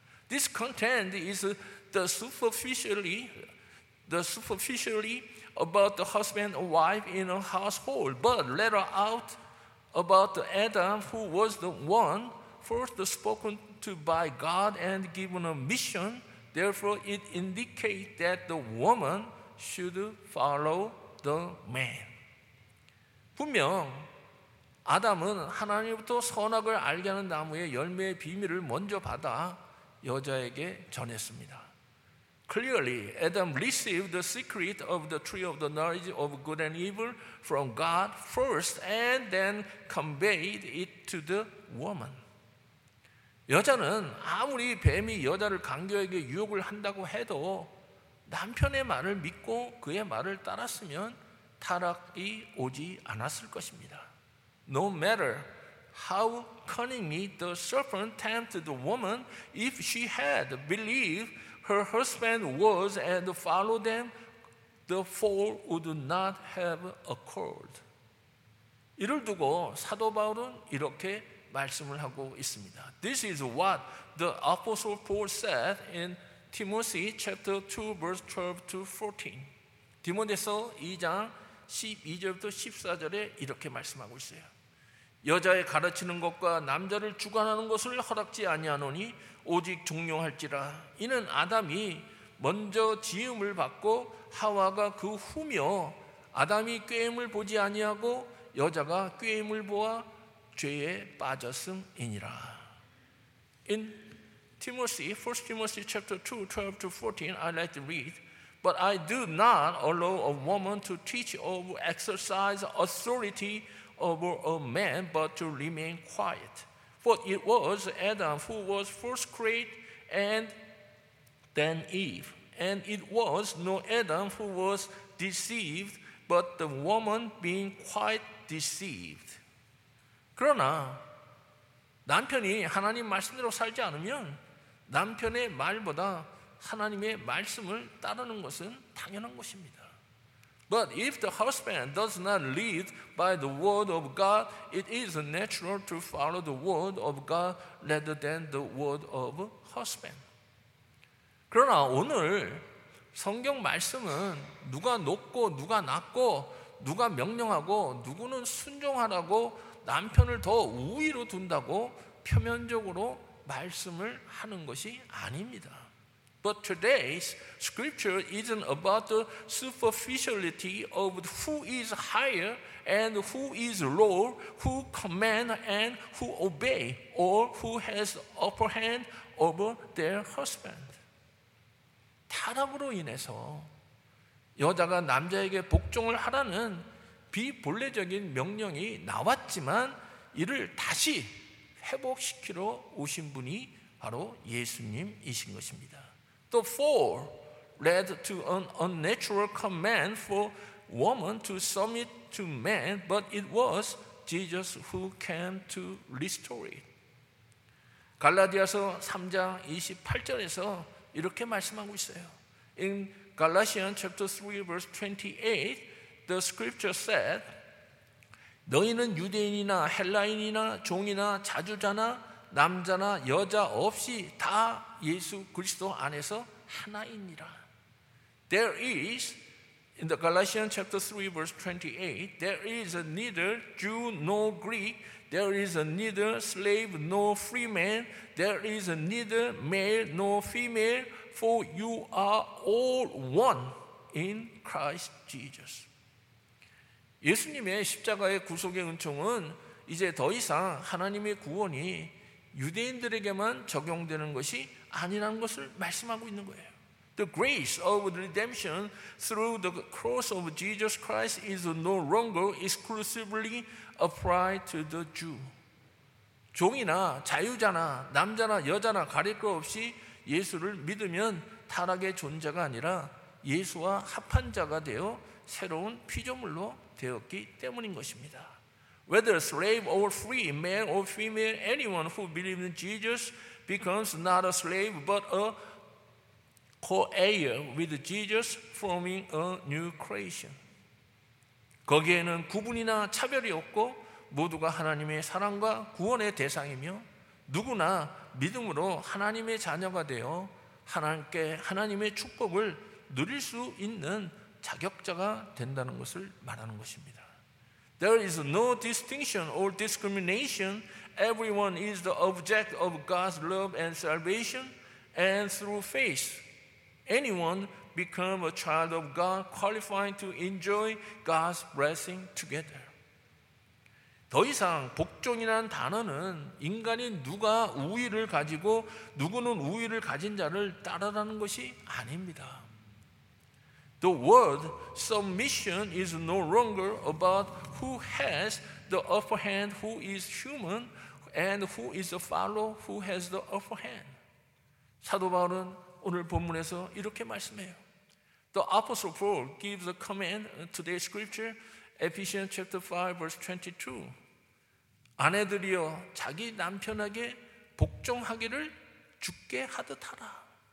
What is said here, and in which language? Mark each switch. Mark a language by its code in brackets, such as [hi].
[en] This content is superficially about the husband and wife in a household, but later out about Adam who was the one first spoken to by God and given a mission. Therefore, it indicates that the woman should follow the man. [ko] 분명 아담은 하나님부터 선악을 알게 하는 나무의 열매의 비밀을 먼저 받아 여자에게 전했습니다. [en] Clearly, Adam received the secret of the tree of the knowledge of good and evil from God first and then conveyed it to the woman. [ko] 여자는 아무리 뱀이 여자를 강도에게 유혹을 한다고 해도 남편의 말을 믿고 그의 말을 따랐으면 타락이 오지 않았을 것입니다. [en] No matter how cunningly the serpent tempted the woman, if she had believed her husband's words and followed them, the fall would not have occurred. [ko] 이를 두고 사도 바울은 이렇게 말씀을 하고 있습니다. [en] This is what the Apostle Paul said in Timothy chapter 2, verse 12 to 14. [ko] 디모데서 2장 12절부터 14절에 이렇게 말씀하고 있어요. 여자의 가르치는 것과 남자를 주관하는 것을 허락지 아니하노니 오직 종용할지라. 이는 아담이 먼저 지음을 받고 하와가 그 후며 아담이 꾀임을 보지 아니하고 여자가 꾀임을 보아 죄에 빠졌음이니라. [en] In Timothy, 1 Timothy chapter 2, 12 to 14, I like to read, but I do not allow a woman to teach or exercise authority over a man, but to remain quiet. For it was Adam who was first created, and then Eve. And it was no Adam who was deceived, but the woman being quite deceived. [ko] 그러나 남편이 하나님 말씀대로 살지 않으면 남편의 말보다 하나님의 말씀을 따르는 것은 당연한 것입니다. [en] But if the husband does not lead by the word of God, it is natural to follow the word of God rather than the word of husband. [ko] 그러나 오늘 성경 말씀은 누가 높고 누가 낮고 누가 명령하고 누구는 순종하라고 남편을 더 우위로 둔다고 표면적으로 말씀을 하는 것이 아닙니다. [en] But today's scripture isn't about the superficiality of who is higher and who is lower, who command and who obey, or who has upper hand over their husband. [ko] 타락으로 인해서 여자가 남자에게 복종을 하라는 비본래적인 명령이 나왔지만 이를 다시 회복시키러 오신 분이 바로 예수님이신 것입니다. [en] The fall led to an unnatural command for woman to submit to man, but it was Jesus who came to restore it. [ko] 갈라디아서 3장 28절에서 이렇게 말씀하고 있어요. [en] In Galatians chapter 3 verse 28, the scripture said, [ko] 너희는 유대인이나 헬라인이나 종이나 자주자나 남자나 여자 없이 다 예수 그리스도 안에서 하나이니라. [en] There is, in the Galatians chapter 3 verse 28, there is neither Jew nor Greek, there is neither slave nor free man, there is neither male nor female, for you are all one in Christ Jesus. [ko] 예수님의 십자가의 구속의 은총은 이제 더 이상 하나님의 구원이 유대인들에게만 적용되는 것이 아니라는 것을 말씀하고 있는 거예요. [en] The grace of redemption through the cross of Jesus Christ is no longer exclusively applied to the Jew. [ko] 종이나 자유자나 남자나 여자나 가릴 것 없이 예수를 믿으면 타락의 존재가 아니라 예수와 합한 자가 되어 새로운 피조물로 되었기 때문인 것입니다. [en] Whether slave or free, male or female, anyone who believes in Jesus becomes not a slave but a co-heir with Jesus, forming a new creation. [ko] 거기에는 구분이나 차별이 없고 모두가 하나님의 사랑과 구원의 대상이며 누구나 믿음으로 하나님의 자녀가 되어 하나님께 하나님의 축복을 누릴 수 있는 자격자가 된다는 것을 말하는 것입니다. [en] There is no distinction or discrimination. Everyone is the object of God's love and salvation, and through faith, anyone become a child of God, qualifying to enjoy God's blessing together. [ko] 더 이상 복종이란 단어는 인간이 누가 우위를 가지고 누구는 우위를 가진 자를 따르라는 것이 아닙니다. [en] The word submission is no longer about who has the upper hand, who is human, and who is a follower, who has the upper hand. [ko] 사도 바울은 오늘 본문에서 이렇게 말씀해요. [en] The Apostle Paul gives a command in today's scripture, Ephesians chapter 5, verse 22. [ko] 아내들이여 자기 남편에게 복종하기를 주께 하듯 하라.